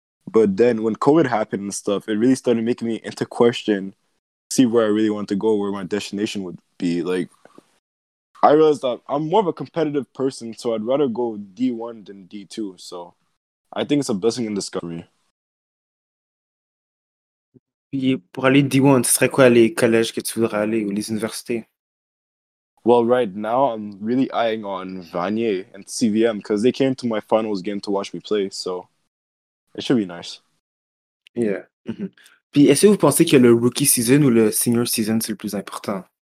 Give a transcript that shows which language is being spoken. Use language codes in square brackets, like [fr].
[en] But then when COVID happened and stuff, it really started making me into question, see where I really wanted to go, where my destination would be. Like, I realized that I'm more of a competitive person, so I'd rather go D1 than D2. So I think it's a blessing in disguise. [fr] Pour aller D1, ce serait quoi les collèges que tu voudrais aller ou les universités? [en] Well, right now I'm really eyeing on Vanier and CVM because they came to my finals game to watch me play, so it should be nice. Yeah. Mm-hmm. [fr] Puis est-ce que vous pensez que le rookie season ou le senior season c'est le plus important?